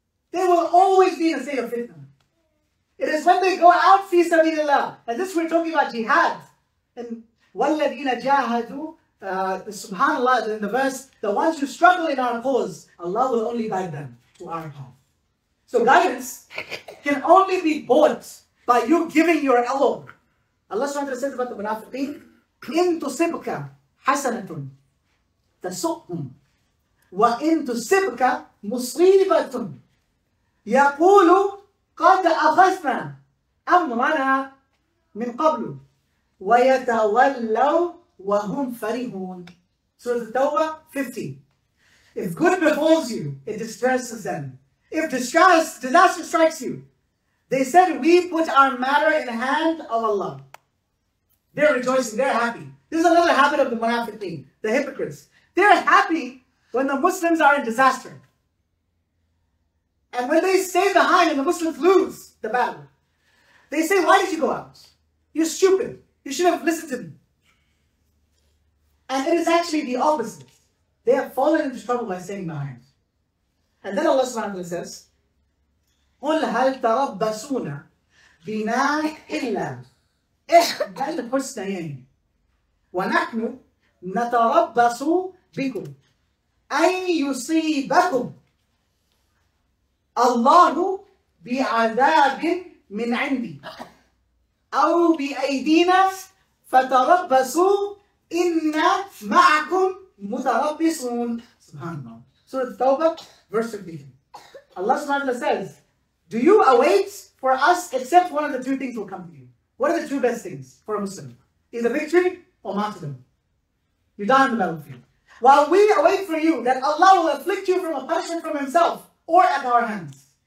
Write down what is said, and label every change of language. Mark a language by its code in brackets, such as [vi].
[en] They will always be in a state of fitna. It is when they go out, fi sabilillah, and this we're talking about jihad, and walladina jahadu, subhanAllah, in the verse, the ones who struggle in our cause, Allah will only guide them to our path. So guidance can only be bought by you giving your elbow. Allah subhanahu wa ta'ala says about the munafiqeen, [ar] إِن تُصِبْكَ حَسَنَةٌ تَسُؤْهُمْ وَإِن تُصِبْكَ مُصِيبَةٌ يَقُولُ قَدْ أَخَذْنَا أَمْرَنَا مِنْ قَبْلُ وَيَتَوَلَّوْا وَهُمْ فَرِحُونَ. [en] Surah Al-Tawbah 15. If good befalls you, it distresses them. If disaster strikes you, they said, we put our matter in the hand of Allah. They're rejoicing, they're happy. This is another habit of the munafiqeen, the hypocrites. They're happy when the Muslims are in disaster. And when they stay behind and the Muslims lose the battle, they say, why did you go out? You're stupid. You should have listened to me. And it is actually the opposite. They have fallen into trouble by staying behind. And then Allah subhanahu wa ta'ala says, [ar] قُلْ هَلْ تَرَبَّسُونَ بِنَا إِلَّا إِحْدَى الْحُسْنَيَيْنِ وَنَحْنُ نَتَرَبَّصُ بِكُمْ أَنْ يُصِيبَكُمْ اللَّهُ بِعَذَابٍ مِّنْ عِنْدِي أَوْ بِأَيْدِينَا فَتَرَبَّصُوا إِنَّا مَعَكُمْ مُتَرَبِّصُونَ. [en] Subhanallah. Surah Tawbah, verse 15. Allah subhanahu wa ta'ala says, do you await for us except one of the two things will come to you? What are the two best things for a Muslim? Either victory or martyrdom. You die on the battlefield. While we await for you that Allah will afflict you from a punishment from Himself or at our hands.